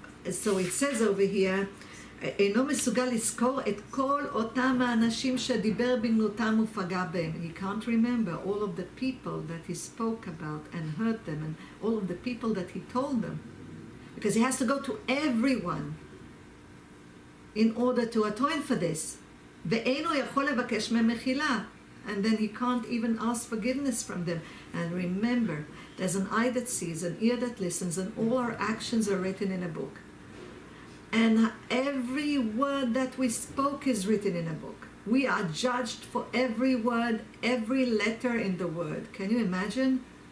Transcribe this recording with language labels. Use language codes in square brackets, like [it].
[he] So it says over here, אינו מסוגל לזכור את כל אותם האנשים שדיבר בגנותם ופגע בהם. [en] He can't remember all of the people that he spoke about and hurt them and all of the people that he told them. Because he has to go to everyone in order to atone for this. [he] ואינו יכול לבקש מהם מחילה. [en] And then he can't even ask forgiveness from them. And remember, there's an eye that sees, an ear that listens, and all our actions are written in a book. And every word that we spoke is written in a book. We are judged for every word, every letter in the word. Can you imagine?